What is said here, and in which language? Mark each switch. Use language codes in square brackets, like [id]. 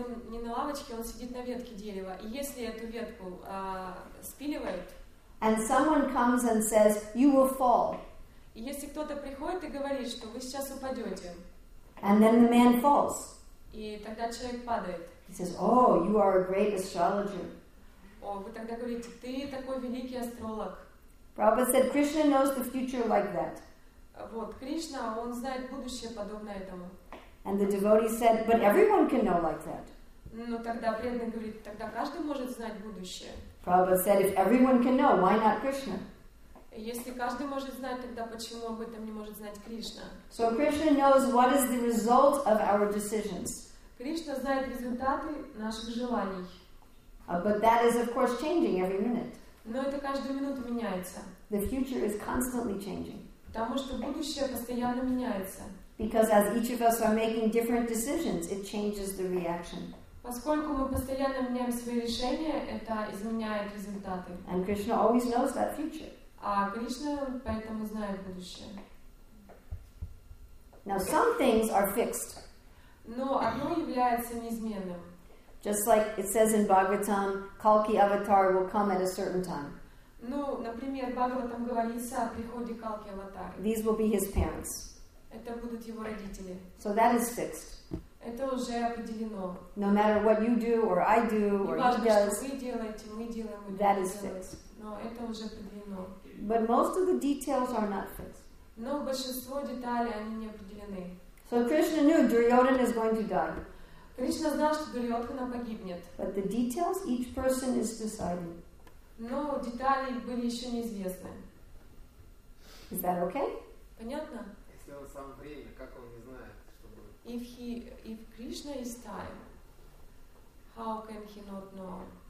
[ru] Не на лавочке, он сидит на ветке дерева. И если эту ветку спиливают. [en] And someone comes and says, you will fall. [ru] И если кто-то приходит и говорит, что вы сейчас упадете. [en] And then the man falls. [ru] И тогда человек падает. [en] He says, oh, you are a great astrologer. [ru] О, вы тогда говорите, ты такой великий астролог. [en] Prabhupada said, Krishna knows the future like that. [ru] Вот, Кришна, он знает будущее подобно этому. [en] And the devotee said, but everyone can know like that. [ru] Но тогда преданный говорит, тогда каждый может знать будущее. [en] Prabhupada said, if everyone can know, why not Krishna? [ru] Если каждый может знать, тогда почему об этом не может знать Кришна? [en] So Krishna knows what is the result of our decisions. [ru] Кришна знает результаты наших желаний. [en] But that is, of course, changing every minute. [ru] Но это каждую минуту меняется. [en] The future is constantly changing. [ru] Потому что будущее постоянно меняется. [en] Because as each of us are making different decisions, it changes the reaction. [ru] Поскольку мы постоянно меняем свои решения, это изменяет результаты. [en] And Krishna always knows that future. [ru] А Кришна поэтому знает будущее. [en] Now some things are fixed. [ru] Но одно является неизменным. [en] Just like it says in Bhagavatam, Kalki avatar will come at a certain time. [ru] Ну, например, Бхагаватам говорится о приходе Калки аватар. [en] These will be his parents. [ru] Это будут его родители. [en] So that is fixed. [ru] Это уже определено. [en] No matter what you do or I do or he does. [ru] Вы делаете, мы делаем, мы [en] that is fixed. [ru] Но это уже определено. [en] But most of the details are not fixed. [ru] Но большинство деталей они не определены. [en] So Krishna knew Duryodhana is going to die. [ru] Кришна знал, что Дурьотхана погибнет. [en] But the details each person is deciding. [ru] Но детали были еще неизвестны. [en] Is that okay? [ru] Понятно? Если он сам время, как он не знает, что будет? [en] If Krishna is time, how can he not know?